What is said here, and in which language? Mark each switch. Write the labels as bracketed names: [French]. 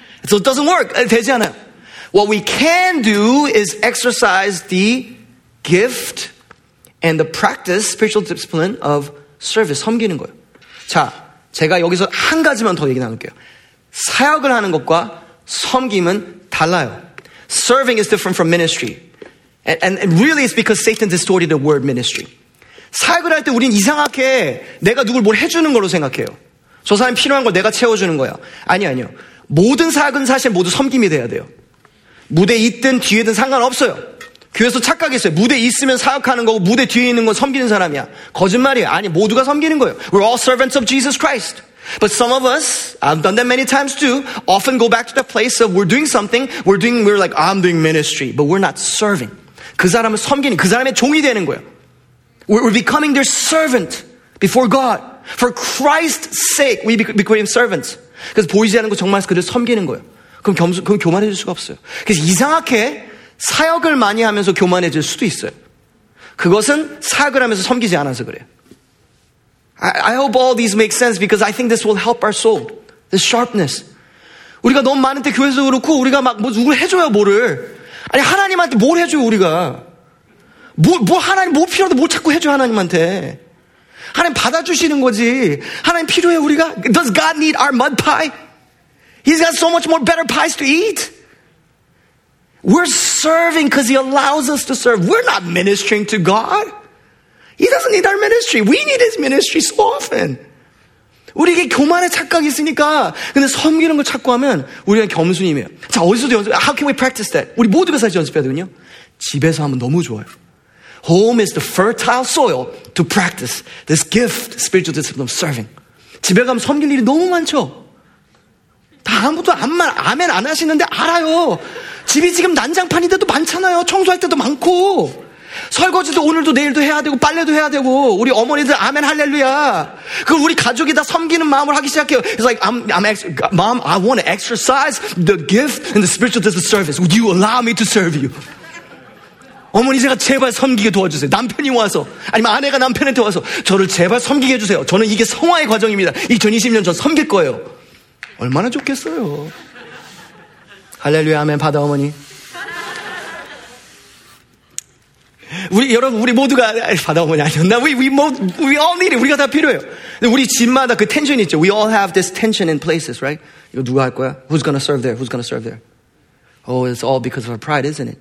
[English] So it doesn't work. [Korean] 되지 않아요. [English] What we can do is exercise the gift and the practice, spiritual discipline of service, [Korean] 섬기는 거예요. 자, 제가 여기서 한 가지만 더 얘기 나눌게요. 사역을 하는 것과 섬김은 달라요. [English] Serving is different from ministry. And really it's because Satan distorted the word ministry. [Korean] 사역을 할 때 우린 이상하게 내가 누굴 뭘 해주는 걸로 생각해요. 저 사람이 필요한 걸 내가 채워주는 거야. 아니요. 모든 사역은 사실 모두 섬김이 돼야 돼요. 무대 있든 뒤에든 상관없어요. 교회에서 착각이 있어요. 무대 있으면 사역하는 거고 무대 뒤에 있는 건 섬기는 사람이야. 거짓말이에요. 아니, 모두가 섬기는 거예요. [English] We're all servants of Jesus Christ. But some of us, I've done that many times too, often go back to the place of we're doing something, we're like, I'm doing ministry, but we're not serving. [Korean] 그 사람을 섬기는, 그 사람의 종이 되는 거예요. [English] We're becoming their servant before God. For Christ's sake, we become servants. [Korean] 그래서 보이지 않는 거 정말 그대로 섬기는 거예요. 그럼 교만해질 수가 없어요. 그래서 이상하게 사역을 많이 하면서 교만해질 수도 있어요. 그것은 사역을 하면서 섬기지 않아서 그래요. [English] I hope all these make sense because I think this will help our soul. The sharpness. [Korean] 우리가 너무 많은데 교회에서 그렇고 우리가 막 뭐 누구를 해줘요, 뭐를. 아니, 하나님한테 뭘 해줘요, 우리가. 뭐 하나님 뭐 필요한데 뭘 자꾸 해줘요, 하나님한테. 하나님 받아주시는 거지. 하나님 필요해, 우리가. [English] Does God need our mud pie? He's got so much more better pies to eat. We're serving because he allows us to serve. We're not ministering to God. He doesn't need our ministry. We need his ministry so often. [Korean] 우리에게 교만의 착각이 있으니까 근데 섬기는 걸 찾고 하면 우리가 겸손이에요. 자, 어디서도 연습. [English] How can we practice that? [Korean] 우리 모두가 사실 연습해야 되거든요. 집에서 하면 너무 좋아요. [English] Home is the fertile soil to practice this gift, spiritual discipline of serving. [Korean] 집에 가면 섬길 일이 너무 많죠. 다 아무도 아무 아멘 안 하시는데 알아요. 집이 지금 난장판인데도 많잖아요. 청소할 때도 많고 설거지도 오늘도 내일도 해야 되고 빨래도 해야 되고 우리 어머니들 아멘 할렐루야. 그럼 우리 가족이 다 섬기는 마음을 하기 시작해요. [English] It's like Mom, I want to exercise the gift and the spiritual discipline service. Would you allow me to serve you? [Korean] 어머니 제가 제발 섬기게 도와주세요. 남편이 와서 아니면 아내가 남편한테 와서 저를 제발 섬기게 해주세요. 저는 이게 성화의 과정입니다. 2020년 전 섬길 거예요. 얼마나 좋겠어요. 할렐루야 아멘 받아 어머니. 우리 여러분 우리 모두가 받아 어머니 아니었나? [English] We all need it. [Korean] 우리가 다 필요해요. 우리 집마다 그 텐션 있죠. [English] We all have this tension in places, right? [Korean] 이거 누가 할 거야? [English] Who's gonna serve there? Who's gonna serve there? Oh, it's all because of our pride, isn't it?